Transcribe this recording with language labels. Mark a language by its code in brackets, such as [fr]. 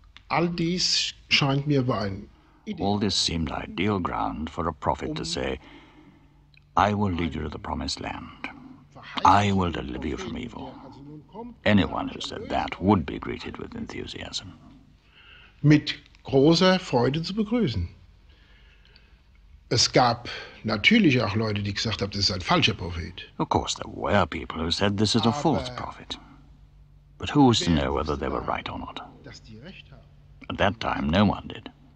[de] All dies scheint mir wie ein... [en] All this seemed ideal ground for a prophet to say, I will lead you to the promised land. I will deliver you from evil. Anyone who said that would be greeted with enthusiasm. [de] Mit großer Freude zu begrüßen. Es gab natürlich auch Leute, die gesagt haben, das ist ein falscher Prophet. [en] Of course, there were people who said this is a false prophet. But who was to know whether they were right or not? At that time, no one did.